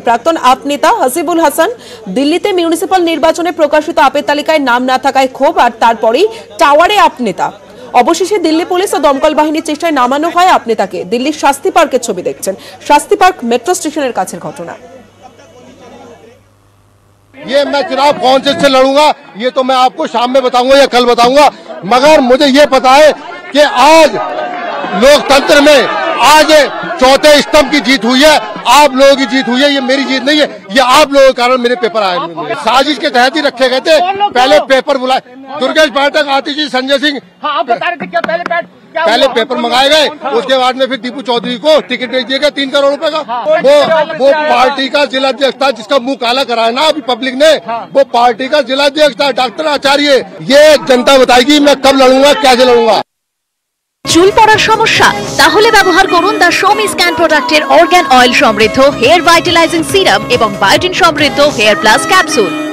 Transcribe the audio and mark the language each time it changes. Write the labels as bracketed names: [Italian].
[Bangla] প্রাক্তন আপনেতা হাসিবুল হাসান দিল্লিতে মিউনিসিপ্যাল নির্বাচনে প্রকাশিত আপের তালিকায় নাম না থাকায় ক্ষোভ, আর তারপরেই টাওয়ারে আপনেতা। অবশেষে দিল্লি পুলিশ ও দমকল বাহিনীর চেষ্টায় নামানো হয় আপনেতাকে, দিল্লির শাস্তি পার্কের ছবি দেখছেন, শাস্তি পার্ক মেট্রো স্টেশনের কাছের ঘটনা। [Hindi] ये मैं चुनाव कौन से लड़ूंगा ये तो मैं आपको शाम में बताऊंगा या कल बताऊंगा, मगर मुझे ये पता है कि आज लोकतंत्र में आज चौथे स्तंभ की जीत हुई है, आप लोगों की जीत हुई है, ये मेरी जीत नहीं है, ये आप लोगों के कारण मेरे पेपर आए। साजिश के तहत ही रखे गए थे, पहले पेपर बुलाए, दुर्गेश बैठक, आतिश जी, संजय सिंह, पहले पेपर मंगाए गए, उसके बाद में फिर दीपू चौधरी को टिकट दे दिए गए 3 करोड़ रुपए का। वो पार्टी का जिलाध्यक्ष था जिसका मुंह काला कराया ना अभी पब्लिक ने, वो पार्टी का जिलाध्यक्ष था डॉक्टर आचार्य। ये जनता बताएगी मैं कब लड़ूंगा, कैसे लड़ूंगा। [Bangla] চুল পড়ার সমস্যা? তাহলে ব্যবহার করুন দা শোমি স্ক্যান প্রোডাক্টের অর্গ্যান অয়েল সমৃদ্ধ হেয়ার ভাইটালাইজিং সিরাম এবং বায়োটিন সমৃদ্ধ হেয়ার প্লাস ক্যাপসুল।